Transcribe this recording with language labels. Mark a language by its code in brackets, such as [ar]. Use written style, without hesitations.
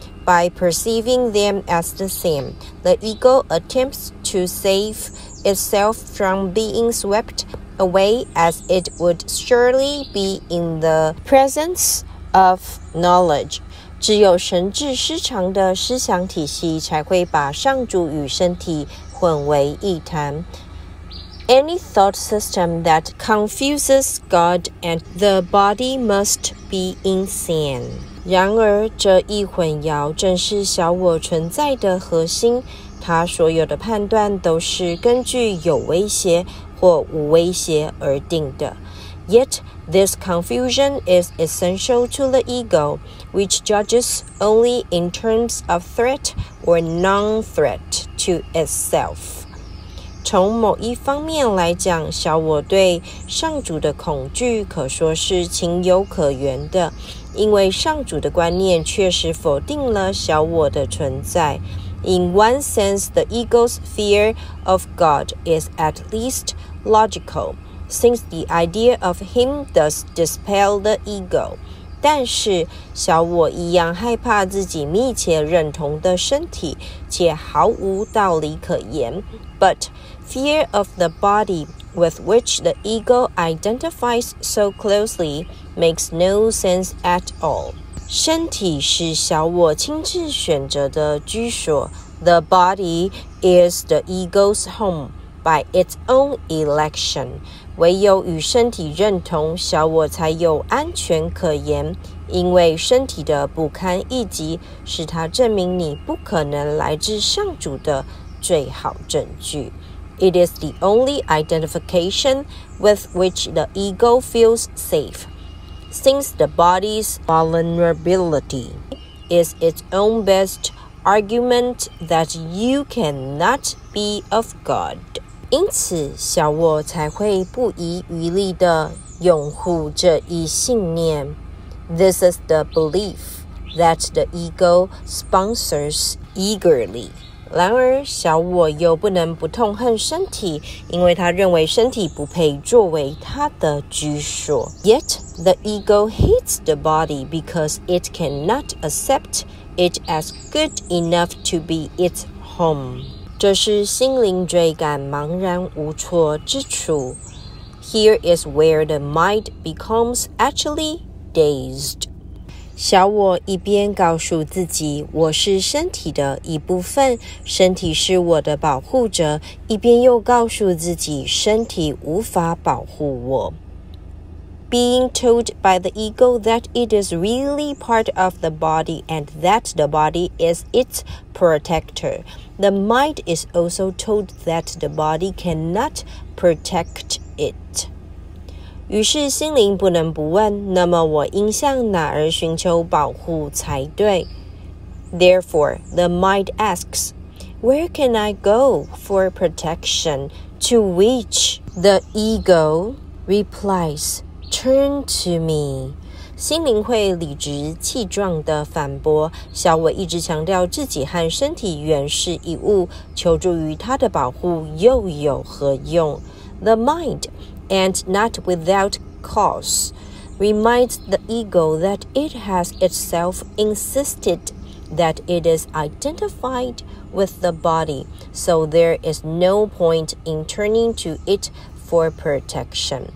[en] By perceiving them as the same, the ego attempts to save itself from being swept away as it would surely be in the presence of knowledge. [zh] 只有神智失常的思想体系才会把上主与身体混为一谈。 [en] Any thought system that confuses God and the body must be insane. [zh] 然而这一混淆正是小我存在的核心，他所有的判断都是根据有威胁或无威胁而定的。 [en] Yet, this confusion is essential to the ego, which judges only in terms of threat or non-threat to itself. [zh] 从某一方面来讲，小我对上主的恐惧可说是情有可原的，因为上主的观念确实否定了小我的存在。 [en] In one sense, the ego's fear of God is at least logical, since the idea of him does dispel the ego. [zh] 但是小我一样害怕自己密切认同的身体，且毫无道理可言。 [en] But fear of the body with which the ego identifies so closely makes no sense at all. [zh] 身体是小我亲自选择的居所。 [en] The body is the ego's home by its own election. [zh] 唯有与身体认同，小我才有安全可言。因为身体的不堪一击，是它证明你不可能来自上主的最好证据。 [en] It is the only identification with which the ego feels safe. Since the body's vulnerability is its own best argument that you cannot be of God. [zh] 因此小我才会不遗余力地拥护这一信念。 [en] This is the belief that the ego sponsors eagerly. [zh] 然而小我又不能不痛恨身体，因为他认为身体不配作为他的居所。 [en] Yet,The ego hates the body because it cannot accept it as good enough to be its home. [zh] 这是心灵追赶茫然无措之处。 [en] Here is where the mind becomes actually dazed. [zh] 小我一边告诉自己我是身体的一部分，身体是我的保护者，一边又告诉自己身体无法保护我。 [en] Being told by the ego that it is really part of the body and that the body is its protector. The mind is also told that the body cannot protect it. [zh] 于是心灵不能不问，那么我应向哪儿寻求保护才对？ [en] Therefore, the mind asks, Where can I go for protection? To which the ego replies,Turn to me. [zh] 心灵会理直气壮地反驳，小我一直强调自己和身体原是一物，求助于他的保护又有何用？ [en] The mind, and not without cause, reminds the ego that it has itself insisted that it is identified with the body, so there is no point in turning to it for protection.